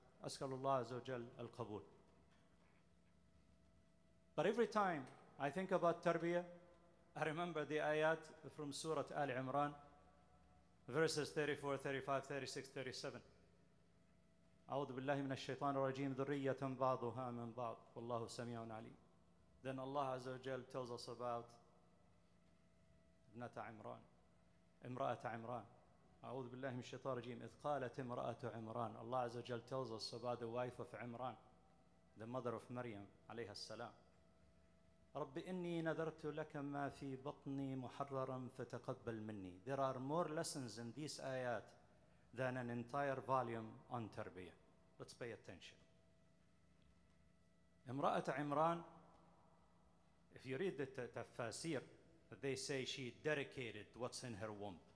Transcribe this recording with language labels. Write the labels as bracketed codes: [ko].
[ar] As'alullah Azza wa Jal Al Qabool. [en] But every time I think about tarbiyah, I remember the ayat from Surah Al Imran, verses 34, 35, 36, 37. [ar] أعوذ بالله من الشيطان الرجيم ذرية بعضها من بعض والله سميع عليم. [en] Then Allah Azza wa Jal tells us about [ar] ابنة عمران، امرأة عمران. أعوذ بالله من الشيطان الرجيم إذ قالت امرأة عمران. [en] Allah Azza wa Jal tells us about the wife of عمران, the mother of Maryam [ar] عليها السلام. رب إني نذرت لك ما في بطني محررا فتقبل مني. [en] There are more lessons in these آيات than an entire volume on tarbiyah. Let's pay attention. Imra'at Imran, if you read the tafsir, they say she dedicated what's in her womb.